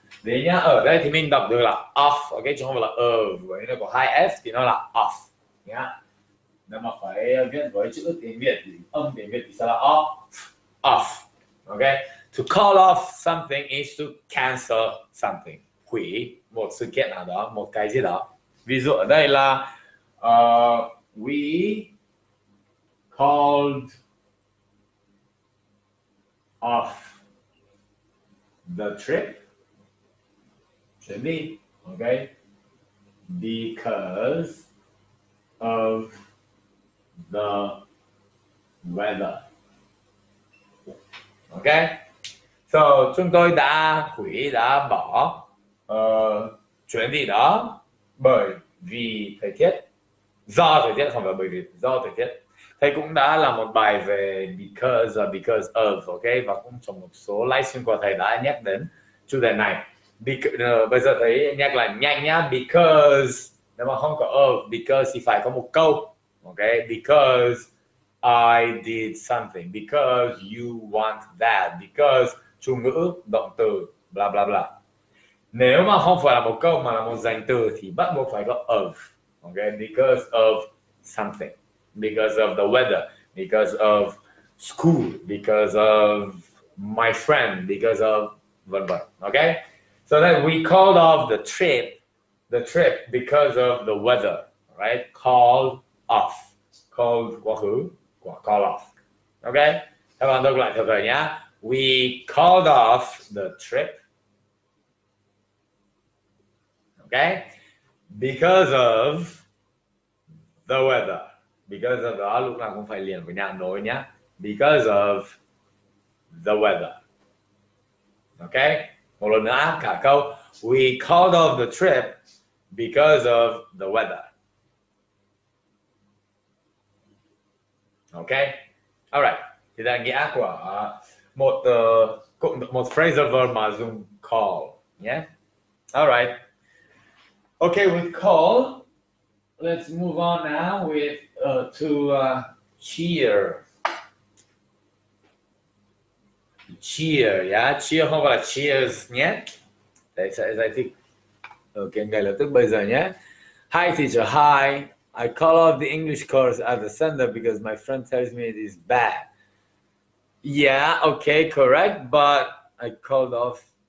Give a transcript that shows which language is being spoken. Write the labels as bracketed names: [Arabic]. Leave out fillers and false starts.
[Vietnamese] Để nhá, ở đây thì mình đọc được là off, okay, chứ không phải là với nó có hai F thì nó là off. Nhá. Nếu mà phải viết với chữ tiếng Việt thì âm tiếng Việt thì sẽ là off. [English] Okay, to call off something is to cancel something, [Vietnamese] hủy một sự kiện nào đó, một cái gì đó. Ví dụ ở đây là [English] we called off the trip, chuyến đi, okay, because of the weather. [Vietnamese] Okay, so chúng tôi đã hủy, đã bỏ chuyến đi đó bởi vì thời tiết. Do thời tiết, không phải bởi vì, do thời tiết. Thầy cũng đã làm một bài về because of, okay, và cũng trong một số livestream của thầy đã nhắc đến chủ đề này. Bây giờ thầy nhắc lại nhanh nhá, because, nếu mà không có of, because thì phải có một câu, okay, [English] because I did something, because you want that, [Vietnamese] because chủ ngữ, động từ, bla bla bla. Nếu mà không phải là một câu mà là một danh từ thì bắt buộc phải có of, okay, [English] because of something, because of the weather, because of school, because of my friend, [Vietnamese] because of vân vân, okay? [English] So then we called off the trip because of the weather, right? Called off. Called quá khứ, quá call off. Okay? [Vietnamese] Các bạn đọc lại theo thầy nhá. [English] We called off the trip. Okay? Because of the weather. Because of the, [Vietnamese] lúc nào cũng phải liền với nhau nói nhá. [English] Because of the weather. Okay? Một lần nữa, cả câu. We called off the trip because of the weather. Okay? All right. [Vietnamese] Thì đây là nghĩa của một phrasal verb mà dùng call. [English] Yeah? All right. Okay, with call, let's move on now with cheer. [Vietnamese] Cheer, yeah, cheer không phải là cheers nhé. Đấy, sẽ giải thích. Ok, ngay lập tức bây giờ nhé. [English] Hi teacher, hi. I call off the English course at the center because my friend tells me it is bad. Yeah, okay, correct, but I called off.